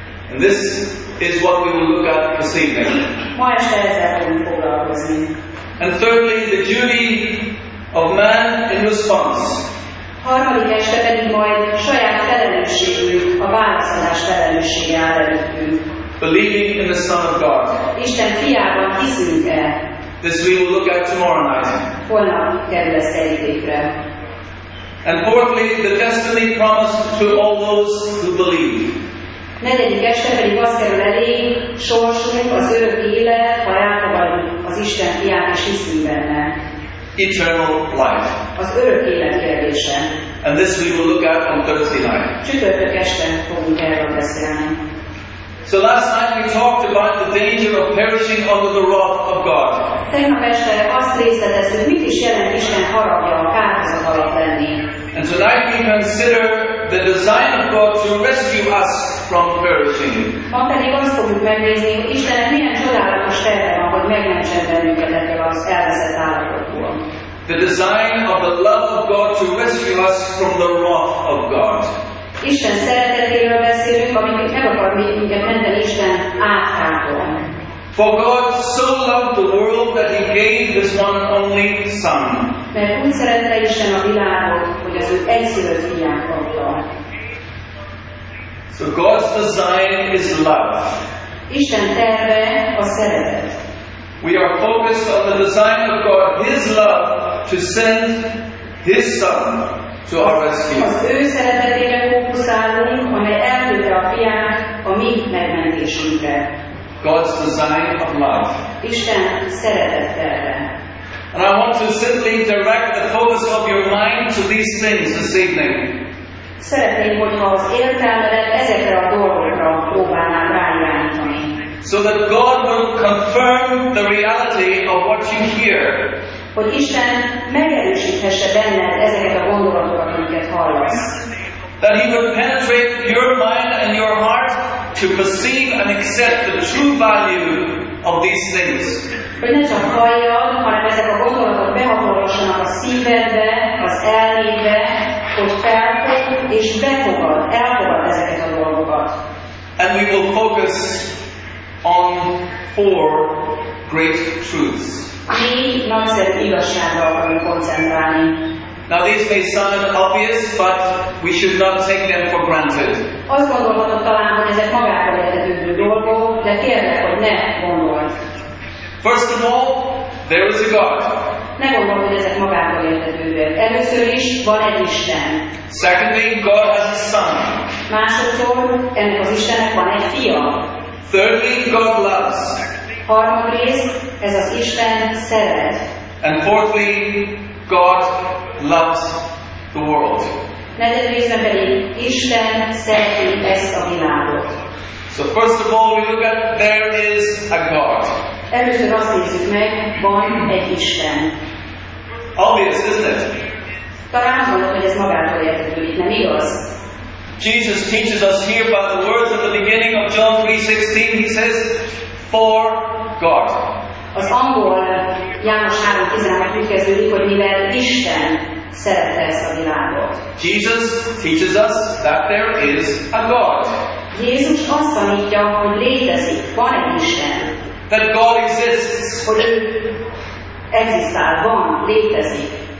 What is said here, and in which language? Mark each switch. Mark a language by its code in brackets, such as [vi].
[en] And this is what we will look at this evening. [hu] Ma este ezzel fogunk foglalkozni. [en] And thirdly, the duty of man in response. [hu] Harmadik este pedig majd saját felelősségünk, a válaszolás felelőssége áll előttünk. [en] Believing in the Son of God. [hu] Isten fiában hiszünk-e? [en] This we will look at tomorrow night. [hu] Holnap kerül ez kerítékre. [en] And fourthly, the destiny promised to all those who believe. [hu] Negyedik este pedig az kerül elénk, sorsunk, az örök élet, ha elfogadjuk az Isten fiát és hiszünk benne. [en] Eternal life. [hu] Az örök élet kérdése. [en] And this we will look at on Thursday night. [hu] Csütörtök este fogunk erről beszélni. [en] So last night we talked about the danger of perishing under the wrath of God. [hu] Tegnap este azt részleteztük, mit is jelent Isten haragja, a kárhozat alatt lenni. [en] And tonight we consider the design of God to rescue us from perishing. [hu] Ma pedig azt fogjuk megnézni, hogy Istennek milyen csodálatos terve van, hogy megmentsen bennünket ettől az elveszett állapotból. [en] The design of the love of God to rescue us from the wrath of God. [hu] Isten szeretetéről beszélünk, amit meg akar minket menteni Isten átkától. [en] For God so loved the world that he gave his one only son. [hu] Mert úgy szerette Isten a világot, hogy az ő egyszülött fiát adta. [en] So God's design is love. [hu] Isten terve a szeretet. [en] We are focused on the design of God, his love, to send his son to our rescue. [hu] Az ő szeretetére fókuszálunk, amely elküldte a fiát a mi megmentésünkre. [en] God's design of love. [hu] Isten szeretetére. [en] And I want to simply direct the focus of your mind to these things this evening. [hu] Szeretném, hogyha az értelmedet ezekre a dolgokra próbálnám ráirányítani. [en] So that God will confirm the reality of what you hear. [hu] Hogy Isten megerősíthesse benned ezeket a gondolatokat, amiket hallasz. [en] That he will penetrate your mind and your heart to perceive and accept the true value of these things. [hu] Hogy ne csak halljad, hanem ezek a gondolatok behatolhassanak a szívedbe, az elmédbe, hogy felfogd és befogad, elfogad ezeket a dolgokat. [en] And we will focus on four great truths. [hu] Mi nagyszerű igazságra akarunk koncentrálni. [en] Now these may sound obvious, but we should not take them for granted. [hu] Azt gondolhatod talán, hogy ezek magától értetődő dolgok, de kérlek, hogy ne gondold. [en] First of all, there is a God. [hu] Ne gondold, hogy ezek magától értetődőek. Először is van egy Isten. [en] Secondly, God has a son. [hu] Másodszor, ennek az Istennek van egy fia. [en] Thirdly, God loves. [hu] Harmadrészt, ez az Isten szeret. [en] And fourthly, God loves the world. [hu] Negyedrészben pedig Isten szereti ezt a világot. [en] So first of all, we look at there is a God. [hu] Először azt nézzük meg, van egy Isten. [en] Obvious, isn't it? [hu] Talán mondom, hogy ez magától értetődik, nem igaz? [en] Jesus teaches us here by the words at the beginning of John 3:16. He says, "For God." [hu] Az angol János 3:16 úgy kezdődik, hogy mivel Isten szerette ezt a világot. [en] Jesus teaches us that there is a God. [hu] Jézus azt tanítja, hogy létezik, van egy Isten. [en] That God exists. [hu] Hogy ő egzisztál, van, létezik.